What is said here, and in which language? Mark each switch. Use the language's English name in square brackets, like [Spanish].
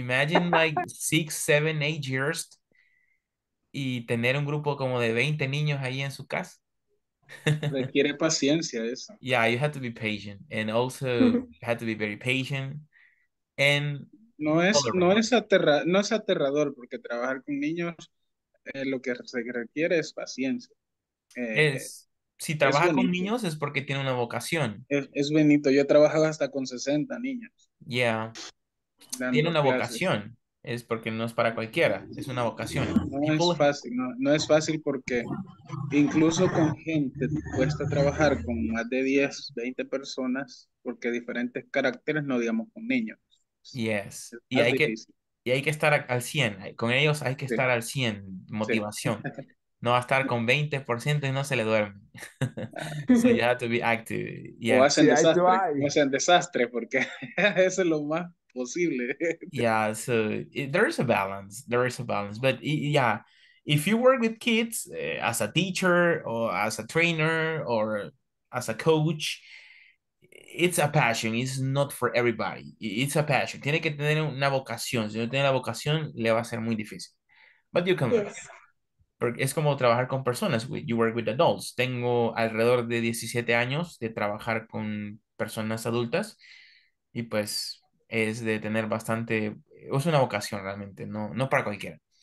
[English] Imagine like 6, 7, 8 years [Spanish] y tener un grupo como de 20 niños ahí en su casa. Requiere paciencia eso. [English] Yeah, you have to be patient. And also, you have to be very patient. And [Spanish] no es aterrador porque trabajar con niños lo que se requiere es paciencia. Si trabaja con niños es porque tiene una vocación. Es bonito. Yo he trabajado hasta con 60 niños. Yeah. Tiene una vocación. Es porque no es para cualquiera. Es una vocación. No es fácil porque incluso con gente cuesta trabajar con más de 10, 20 personas porque diferentes caracteres, no digamos con niños. Yes. Y hay que estar al 100. Con ellos hay que sí. Estar al 100. Motivación. Sí. No va a estar con 20% y no se le duerme. [English] So you have to be active. Yeah. [Spanish] O hacen desastre porque eso es lo más posible. [English] Yeah, so there is a balance. But yeah, if you work with kids as a teacher or as a trainer or as a coach, it's a passion. It's not for everybody. It's a passion. [Spanish] Tiene que tener una vocación. Si no tiene la vocación, le va a ser muy difícil. [English] But you can learn. Yes. [Spanish] Porque es como trabajar con personas. [English] You work with adults. [Spanish] Tengo alrededor de 17 años de trabajar con personas adultas. Y pues es de tener bastante... Es una vocación realmente. No para cualquiera.